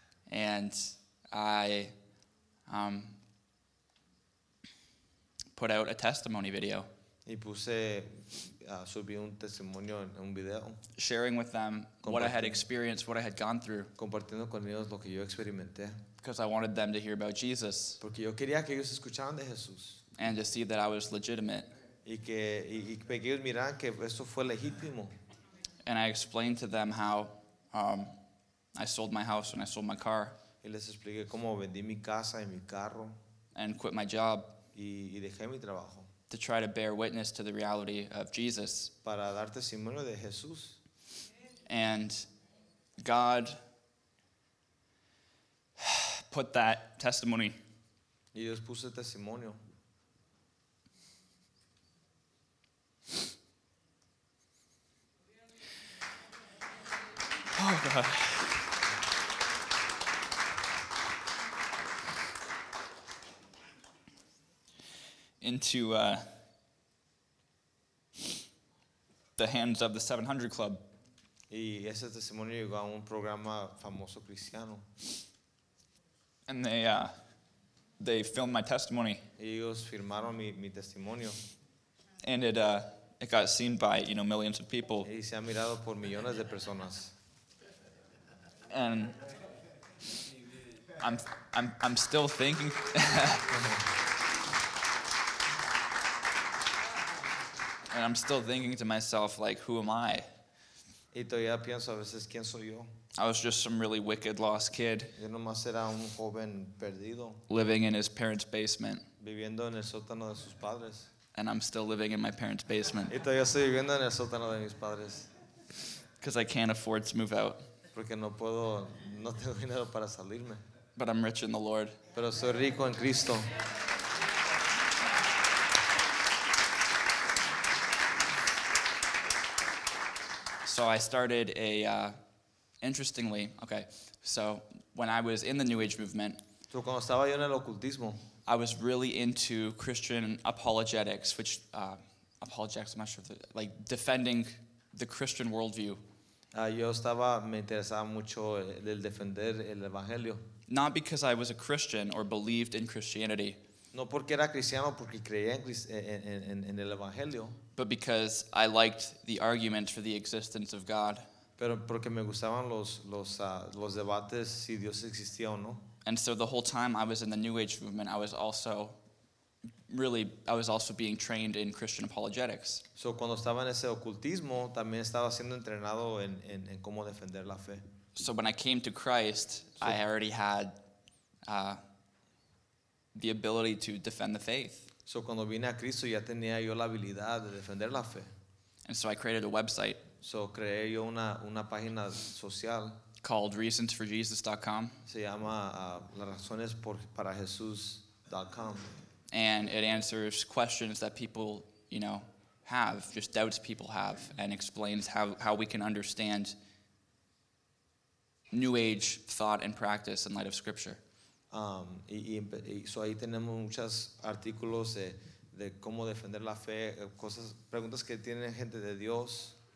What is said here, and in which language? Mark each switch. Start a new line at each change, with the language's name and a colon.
English: And I put out a testimony video.
Spanish: Y puse, subí un testimonio en un video.
English: Sharing with them what I had experienced, what I had gone through.
Spanish: Compartiendo con ellos lo que yo experimenté.
English: Because I wanted them to hear about Jesus.
Spanish: Porque yo quería que ellos escucharan de Jesús.
English: And to see that I was legitimate.
Spanish: Y que ellos miraran que eso fue legítimo.
English: And I explained to them how I sold my house and I sold my car.
Spanish: Y les expliqué cómo vendí mi casa y mi carro.
English: And quit my job.
Spanish: Y dejé mi trabajo.
English: To try to bear witness to the reality of Jesus.
Spanish: Para dar testimonio de Jesús.
English: And God put that testimony.
Spanish: Y Dios puso testimonio.
English: Oh God. Into the hands of the 700 Club.
Spanish: Y ese testimonio llegó a un programa famoso cristiano.
English: And they filmed my testimony.
Spanish: Ellos firmaron mi testimonio.
English: And it got seen by, you know, millions of people.
Spanish: Y se ha mirado por millones de personas.
English: And I'm still thinking. And I'm still thinking to myself, like, who am I?
Spanish: Y todavía pienso a veces, ¿quién soy yo?
English: I was just some really wicked lost kid.
Spanish: Yo nomás era un joven perdido.
English: Living in his parents' basement.
Spanish: Viviendo en el sótano de sus padres.
English: And I'm still living in my parents' basement.
Spanish: Y todavía estoy viviendo en el sótano de mis padres.
English: Because I can't afford to move out.
Spanish: Porque no puedo, no tengo dinero para salirme.
English: But I'm rich in the Lord.
Spanish: Pero soy rico en Cristo.
English: So I started a, interestingly, okay, so when I was in the New Age movement,
Spanish: so cuando estaba yo en el ocultismo,
English: I was really into Christian apologetics, which, apologetics, I'm not sure, if like defending the Christian worldview.
Spanish: Yo estaba, me interesaba mucho el defender el evangelio.
English: Not because I was a Christian or believed in Christianity.
Spanish: No porque era cristiano, porque creía en el evangelio.
English: But because I liked the argument for the existence of God.
Spanish: Pero porque me gustaban los debates si Dios existía o no.
English: And so the whole time I was in the New Age movement, I was also being trained in Christian apologetics.
Spanish: So cuando estaba en ese ocultismo, también estaba siendo entrenado en cómo defender la fe.
English: So when I came to Christ, I already had the ability to defend the faith.
Spanish: So cuando vine a Cristo ya tenía yo la habilidad de defender la fe.
English: And so I created a website.
Spanish: So creé yo una página social.
English: Called reasonsforjesus.com.
Spanish: Se llama lasrazonesparajesus.com.
English: And it answers questions that people, you know, have, just doubts people have, and explains how we can understand New Age thought and practice in light of Scripture.
Spanish: So ahí tenemos muchos artículos de cómo defender la fe, cosas, preguntas que tiene gente de Dios.